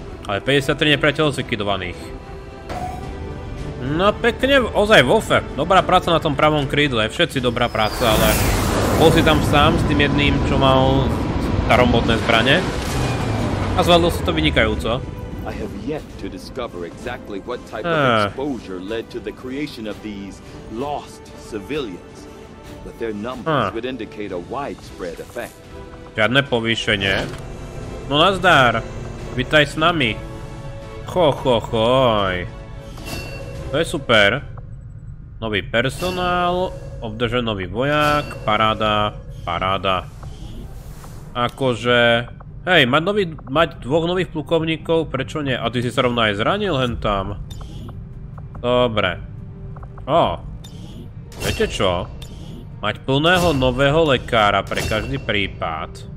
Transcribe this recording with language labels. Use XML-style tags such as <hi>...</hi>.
<sk>Ale 53 nepriateľov zlikvidovaných. No pekne, ozaj Wolfe. Dobrá práca na tom pravom krídle. Všetci dobrá práca, ale bol si tam sám s tým jedným, čo mal starobodné zbrane. A zvládlo sa to vynikajúco.</sk> <en>I have yet to discover exactly what type of exposure led to the creation of these lost civilians, but their numbers would indicate a widespread effect.</en> <sk>Žiadne povýšenie. No nazdar, vitaj s nami. Chochochoj. To je super. Nový personál, obdržen nový voják, paráda, paráda. Akože... Hej, mať dvoch nových plukovníkov, prečo nie? A ty si sa rovno aj zranil hen tam. Dobre. O, viete čo? Mať plného nového lekára pre každý prípad.</sk>